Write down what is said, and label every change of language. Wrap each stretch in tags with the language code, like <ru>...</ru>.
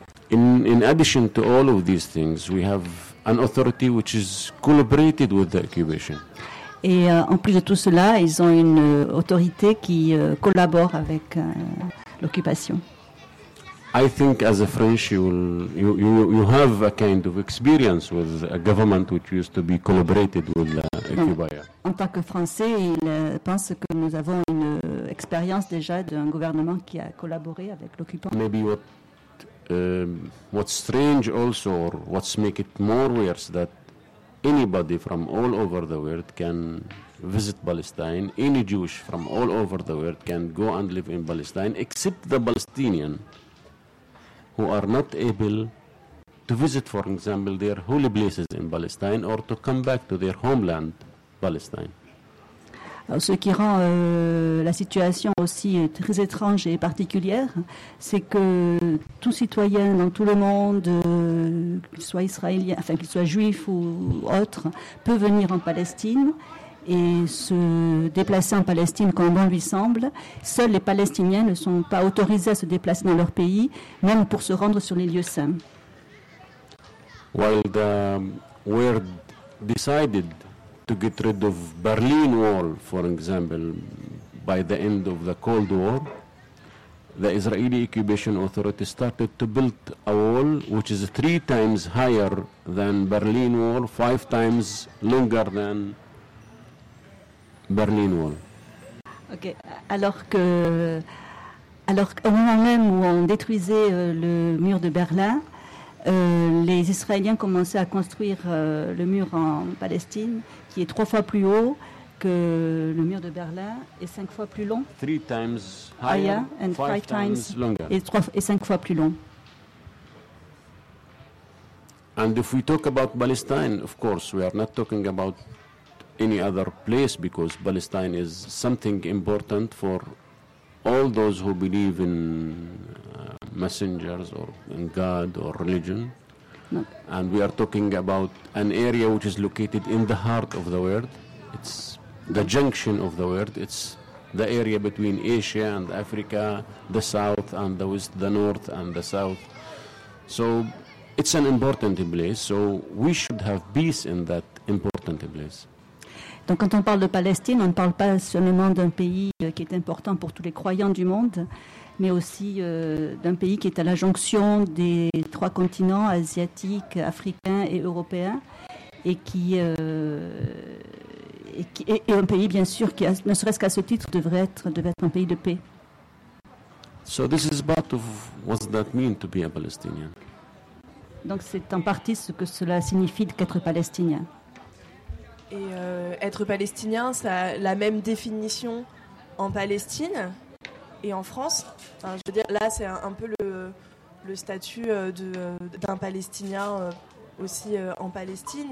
<en>In addition to all of these things, we have an authority which is collaborated with the occupation.</en> <fr>Et en plus de tout cela, ils ont une autorité qui collabore avec l'occupation.</fr> <en>I think as a French, you have a kind of experience with a government which used to be collaborated with the occupier.</en> <fr>En tant que Français, ils pensent que nous avons une expérience déjà d'un gouvernement qui a collaboré avec l'occupant.</fr> <en>Maybe what what's strange also, or what's make it more worse, that anybody from all over the world can visit Palestine, any Jewish from all over the world can go and live in Palestine, except the Palestinian who are not able to visit, for example, their holy places in Palestine or to come back to their homeland, Palestine.</en> <fr>Ce qui rend la situation aussi très étrange et particulière, c'est que tout citoyen dans tout le monde, qu'il soit israélien, enfin qu'il soit juif ou autre, peut venir en Palestine et se déplacer en Palestine comme bon lui semble. Seuls les Palestiniens ne sont pas autorisés à se déplacer dans leur pays, même pour se rendre sur les lieux saints.</fr> <en>while the world decided to get rid of Berlin Wall, for example, by the end of the Cold War, the Israeli occupation authority started to build a wall which is three times higher than Berlin Wall, five times longer than Berlin Wall.</en> <fr>Okay, alors qu'au moment même où on détruisait le mur de Berlin, les Israéliens commençaient à construire le mur en Palestine, qui est trois fois plus haut que le mur de Berlin et cinq fois plus long.</fr> <en>Three times higher and five times longer.</en> <fr>Et cinq fois plus long.</fr> <en>And if we talk about Palestine, of course, we are not talking about any other place, because Palestine is something important for all those who believe in messengers or in God or religion. No. And we are talking about an area which is located in the heart of the world. It's the junction of the world. It's the area between Asia and Africa, the south and the west, the north and the south. So it's an important place. So we should have peace in that important place.</en> <fr>Donc quand on parle de Palestine, on ne parle pas seulement d'un pays qui est important pour tous les croyants du monde, mais aussi d'un pays qui est à la jonction des trois continents asiatiques, africains et européens, et un pays bien sûr qui, ne serait-ce qu'à ce titre, devrait être un pays de paix.</fr> <en>So this is part of what that means to be a Palestinian.</en> <fr>Donc c'est en partie ce que cela signifie d'être palestinien. Et être palestinien, ça a la même définition en Palestine et en France. Enfin, je veux dire, là, c'est un peu le statut d'un palestinien aussi en Palestine.</fr>